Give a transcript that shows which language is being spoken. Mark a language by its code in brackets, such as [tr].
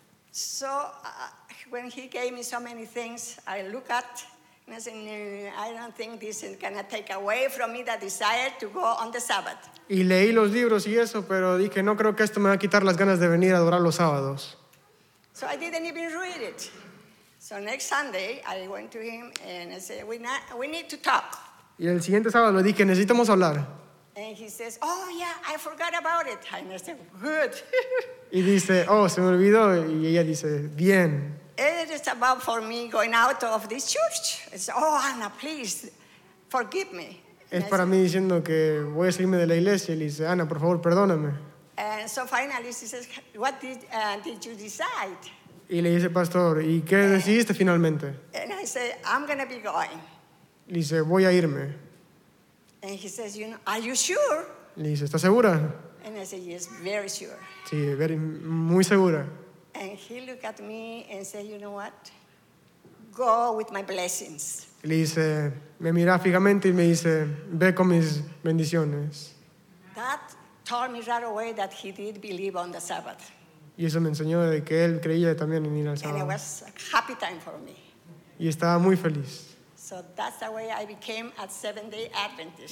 [en] So when he gave me so many things, I look at and I said, I don't think this is going to take away from me the desire to go on the Sabbath. [es] Y leí los libros y eso, pero dije, no creo que esto me va a quitar las ganas de venir a adorar los sábados. [en] So I didn't even read it. So next Sunday, I went to him and I said, we need to talk. [es] Y el siguiente sábado le dije, necesitamos hablar. [en] And he says, oh yeah, I forgot about it. And I said, good. [es] Y dice, oh, se me olvidó. Y ella dice, bien. [en] It is about for me going out of this church. I said, oh, Anna, please, forgive me. [es] Es para mí diciendo que voy a salirme de la iglesia. Y le dice, Anna, por favor, perdóname. [en] And so finally she says, what did you decide? [es] Y le dice, pastor, ¿y qué decidiste finalmente? [en] And I said, I'm going to be going. [es] Le dice, voy a irme. [en] And he says, you know, are you sure? [es] Le dice, ¿estás segura? [en] And I said, yes, very sure. [es] Sí, very, muy segura. [en] And he looked at me and said, you know what? Go with my blessings. [es] Le dice, me mira fijamente y me dice, ve con mis bendiciones. [en] That told me right away that he did believe on the Sabbath. [es] Y eso me enseñó de que él creía también en ir al sábado. [en] And it was a happy time for me. [es] Y estaba muy feliz. [en] So that's the way I became a Seventh-day Adventist.